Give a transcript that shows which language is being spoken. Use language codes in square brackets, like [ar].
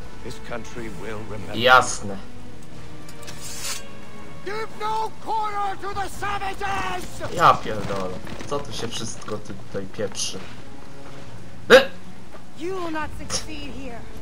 [en] This country will remember. [pl] Jasne. [en] Give no quarter to the savages! [pl] Ja pierdolę. Co to się wszystko tutaj pieprzy? [en] You will not succeed here.